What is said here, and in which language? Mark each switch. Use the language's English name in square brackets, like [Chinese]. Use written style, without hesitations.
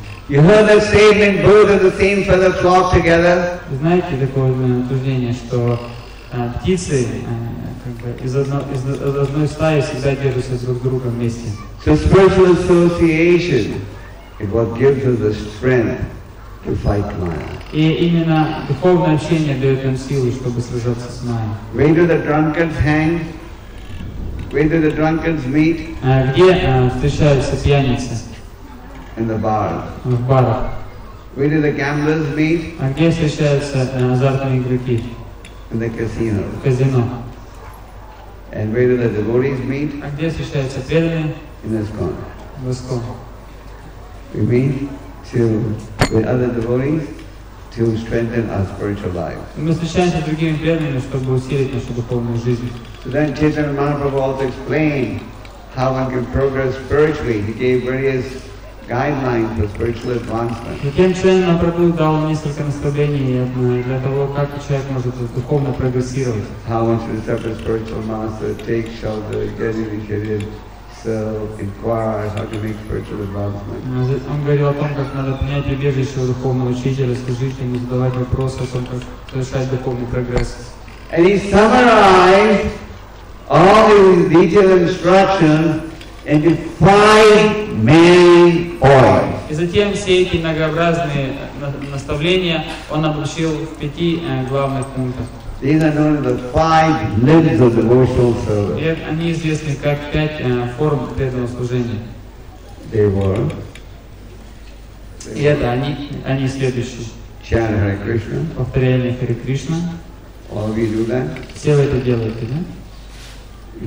[English] You heard that statement, both of the same feather flock together? [Russian] Знаете такое утверждение, что птицы из одной стаи всегда держатся друг с другом вместе. [English] So spiritual association is what gives us the strength to fight Maya. [Russian] И именно духовное общение дает нам силы, чтобы сражаться с Майей. [English] Where do the drunkards hang? Where do the drunkards meet? [Russian] Где встречаются пьяницы? [English] In the bar. [Russian] В барах. [English] Where do the gamblers meet? [Russian] А где встречаются азартные игроки? [English] In the casino. [Russian] В казино. [English] And where do the devotees meet? [Russian] А где встречаются преданные? [English] In ISKCON. [Russian] В ISKCON. [English] We meet to with other devotees to strengthen our spiritual life. [Russian] Мы встречаемся с другими преданными, чтобы усилить нашу духовную жизнь. [English] So then Chaitanya Mahaprabhu also explained how one can progress spiritually. He gave various guidelines for spiritual advancement. [Russian] Затем Chaitanya Mahaprabhu дал несколько наставлений для того, как человек может духовно прогрессировать. [English] How one should accept a spiritual master, take shelter, get initiated, serve, inquire, how to make spiritual advancement. [Russian] Он говорил о том, как надо принять убежище духовного учителя, служить ему, задавать вопросы о том, как совершать духовный прогресс. [English] And he summarized all the detailed instructions into five main points. [Russian] И затем все эти многообразные наставления он обобщил в пяти главных пунктах. [English] These are known as the five limbs of devotional service. [Russian] И они известны как пять форм преданного служения. [English] They were. [Russian] И это они следующие. [English] Chant Hare Krishna. [Russian] Повторяли Харе Кришна. [English] All of you do that. [Russian] Все вы это делаете, да?